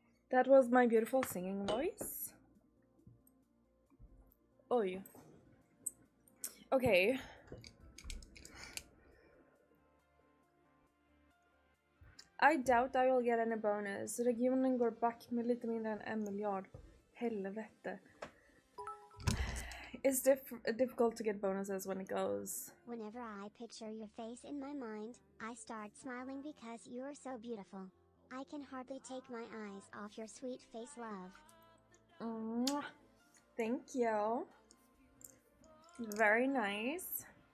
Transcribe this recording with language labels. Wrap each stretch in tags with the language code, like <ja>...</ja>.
<en>That was my beautiful singing voice. Oy. Okay. I doubt I will get any bonus.</en> <sv>Regionen går back med lite mindre än 1 miljard. Helvete.</sv> <en>It's difficult to get bonuses when it goes. Whenever I picture your face in my mind, I start smiling because you are so beautiful. I can hardly take my eyes off your sweet face, love. Thank you. Very nice.</en>